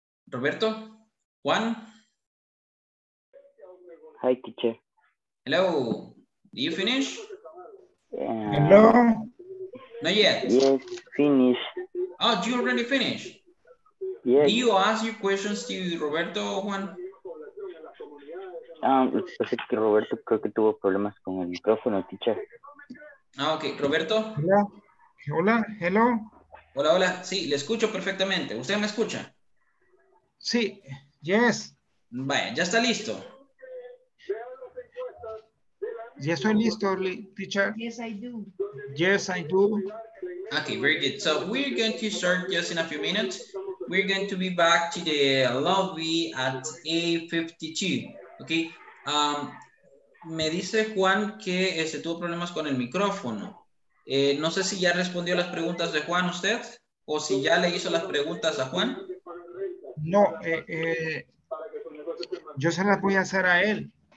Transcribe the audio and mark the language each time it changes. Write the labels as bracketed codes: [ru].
[en] Roberto, Juan. Hi, teacher. Hello. Do you finish? Hello. Not yet. Yes, finish. Oh, do you already finish? Yes. Do you ask your questions to Roberto or Juan? [es] Es que Roberto creo que tuvo problemas con el micrófono, teacher. [en] Ah, okay. Roberto. [es] Hola. Hola. [en] Hello. [es] Hola, hola. Sí, le escucho perfectamente. ¿Usted me escucha? Sí, [en] yes. [es] Vaya, ya está listo. Ya estoy listo, teacher. [en] Yes, I do. Yes, I do. Okay, very good. So we're going to start just in a few minutes. We're going to be back to the lobby at A52. Okay. [es] Me dice Juan que este tuvo problemas con el micrófono. No sé si ya respondió las preguntas de Juan usted o si ya le hizo las preguntas a Juan. No, yo se las voy a hacer a él.